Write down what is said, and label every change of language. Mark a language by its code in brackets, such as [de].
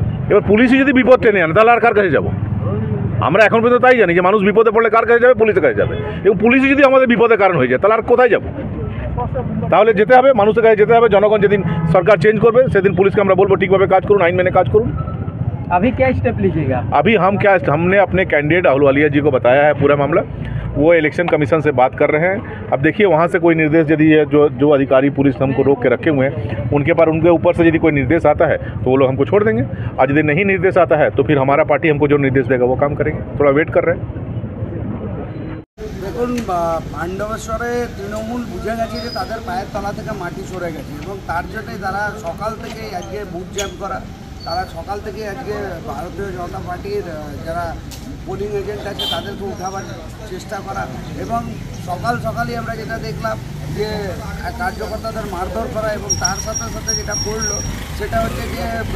[bn] এবার পুলিশই যদি বিপদ টেনে আনে তাহলে আর কার কাছে যাবো? আমরা এখন পর্যন্ত তাই জানি যে মানুষ বিপদে পড়লে কার কাছে যাবে, পুলিশের কাছে যাবে, এবং পুলিশই যদি আমাদের বিপদে কারণ হয়ে যায় তাহলে আর কোথায় যাবো? তাহলে যেতে হবে মানুষের কাছে, যেতে হবে জনগণ। যেদিন সরকার চেঞ্জ করবে সেদিন পুলিশকে আমরা বলবো ঠিকভাবে কাজ করুন, আইন মেনে কাজ করুন। [hi] अभी क्या स्टेप लीजिएगा? अभी हम क्या, हमने अपने कैंडिडेट अहलुवालिया जी को बताया है पूरा मामला, वो इलेक्शन कमीशन से बात कर रहे हैं। अब देखिए वहाँ से कोई निर्देश यदि जो जो अधिकारी पुलिस हमको रोक के रखे हुए हैं उनके पर उनके ऊपर से यदि कोई निर्देश आता है तो वो लोग हमको छोड़ देंगे, आज यदि नहीं निर्देश आता है तो फिर हमारा पार्टी हमको जो निर्देश देगा वो काम करेंगे, थोड़ा वेट कर रहे हैं। [bn] দেখুন, পাণ্ডবেশ্বরে তৃণমূল বুঝে গেছে যে তাদের পায়ের তলা থেকে মাটি সরে গেছে এবং তার জন্যই তারা সকাল থেকে আজকে বুথ জ্যাম করা, তারা সকাল থেকে আজকে ভারতীয় জনতা পার্টির যারা পোলিং এজেন্ট আছে তাদেরকে উঠাবার চেষ্টা করা এবং সকাল সকালই আমরা যেটা দেখলাম যে কার্যকর্তাদের মারধর করা এবং তার সাথে সাথে যেটা করলো সেটা হচ্ছে যে